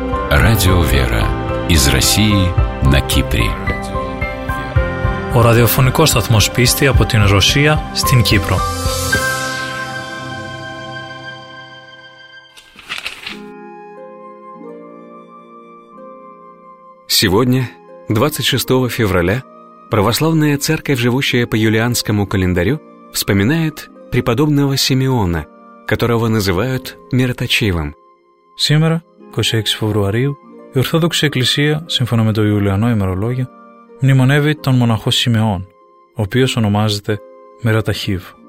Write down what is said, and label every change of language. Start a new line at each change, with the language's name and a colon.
Russian: Радио «Вера» из России на Кипре.
Greek: Ο ραδιοφωνικός σταθμός πίστη από την Ρωσία στην Κύπρο.
Russian: Сегодня, 26 февраля, православная церковь, живущая по юлианскому календарю, вспоминает преподобного Симеона, которого называют «мироточивым».
Greek: Сегодня, 26 февраля, η Ορθόδοξη Εκκλησία, σύμφωνα με το Ιουλιανό ημερολόγιο, μνημονεύει τον μοναχό Σιμεών, ο οποίος ονομάζεται Μεροταχίβ.